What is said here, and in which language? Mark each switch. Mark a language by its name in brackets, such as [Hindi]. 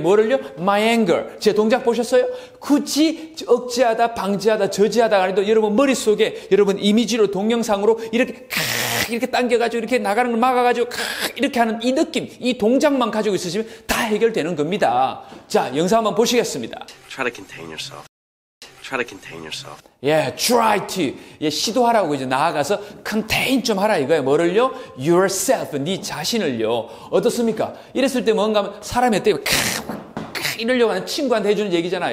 [Korean] 뭐를요? [English] My anger. [Korean] 제 동작 보셨어요? 굳이 억제하다 방지하다 저지하다 아니도 여러분 머릿속에 여러분 이미지로 동영상으로 이렇게 이렇게 당겨가지고 이렇게 나가는 걸 막아가지고 이렇게 하는 이 느낌 이 동작만 가지고 있으시면 다 해결되는 겁니다. 자, 영상 한번 보시겠습니다. [English] Try to contain yourself. Try to contain yourself. Yeah, try to. [Korean] 예, 시도하라고 이제 나아가서 contain 좀 하라 이거예요. 뭐를요? Yourself, 네 자신을요. 어떻습니까? 이랬을 때 뭔가 하면 사람이 어때요? 이러려고 하는 친구한테 해주는 얘기잖아.